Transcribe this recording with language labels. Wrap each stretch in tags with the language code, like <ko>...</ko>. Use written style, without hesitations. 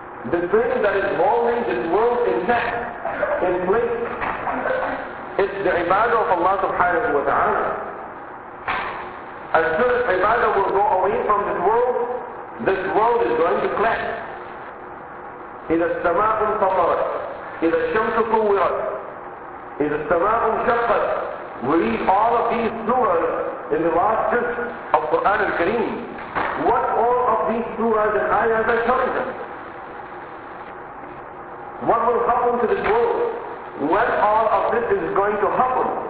<en>The thing that is holding this world intact, in place, is the ibadah of Allah subhanahu wa ta'ala. As soon as ibadah will go away from this world is going to collapse.</en> <ar>إِذَا السَّمَاءُ انْفَطَرَتْ إِذَا الشَّمْسُ كُوِّرَتْ إِذَا السَّمَاءُ انْشَقَّتْ.</ar> <en>We read all of these surahs in the last verse of Quran al-Kareem. What all of these surahs and ayahs are telling us? What will happen to this world? When all of this is going to happen?</en>